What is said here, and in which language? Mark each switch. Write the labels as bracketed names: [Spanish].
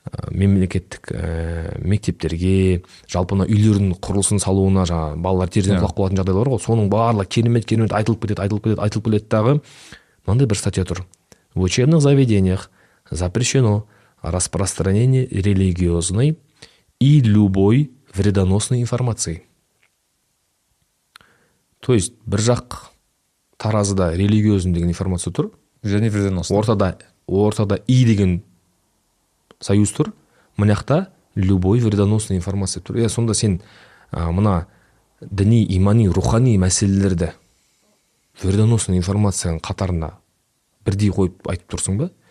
[Kazakh] Мемлекеттік мектептерге, жалпы үйлердің құрылысын салуына, балалар терден құлақ қолатын жағдайлар ғой. Соның барлығы керемет-керемет айтылып кетеді дағы. Мынандай бір статья тұр. [Russian] В учебных заведениях запрещено распространение религиозной и любой вредоносной информации. То есть [Kazakh] бір жақ таразыда религиозный деген информация тұр, және вредоносный. Ортада и деген союз тұр, мынақта [Russian] любой вредоносный информация [Kazakh] тұр. Сонда сен мына діни, имани, рухани мәселелерді вредоносный информацияның қатарына бірдей қойып айтып тұрсың ба?